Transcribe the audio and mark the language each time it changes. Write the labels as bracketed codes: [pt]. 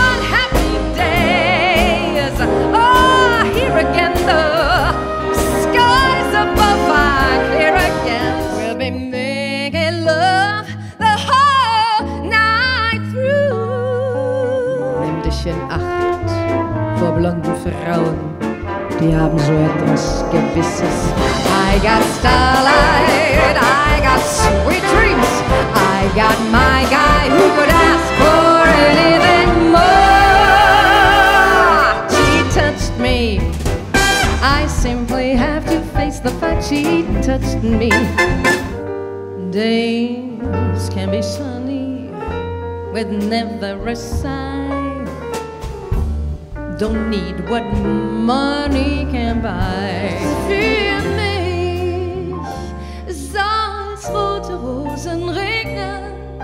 [en] Happy days, oh, here again the skies above are clear again. We'll be making love the whole night through. [de] Nimm dich in Acht vor blonden Frauen. Die haben so etwas Gewisses. [en] I got starlight, I got sweet dreams. I got my guy who could ask for anything more. She touched me. I simply have to face the fact she touched me. Days can be sunny with never a sign. Don't need what money can buy. [de] Für mich soll's rote Rosen regnen.